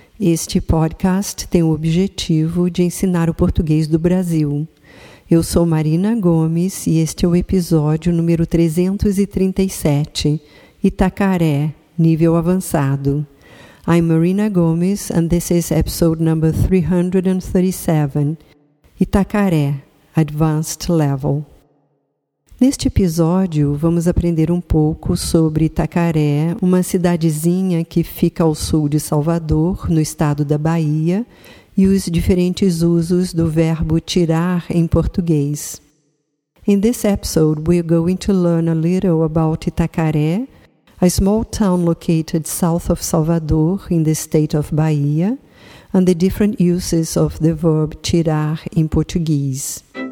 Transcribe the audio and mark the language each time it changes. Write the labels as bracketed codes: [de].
[pt] Este podcast tem o objetivo de ensinar o português do Brasil. Eu sou Marina Gomes e este é o episódio número 337, Itacaré, nível avançado. [en] I'm Marina Gomes and this is episode number 337, Itacaré, Advanced Level. [pt] Neste episódio, vamos aprender um pouco sobre Itacaré, uma cidadezinha que fica ao sul de Salvador, no estado da Bahia, e os diferentes usos do verbo tirar em português. [en] In this episode, we're going to learn a little about Itacaré, a small town located south of Salvador in the state of Bahia, and the different uses of the verb tirar [pt] em português.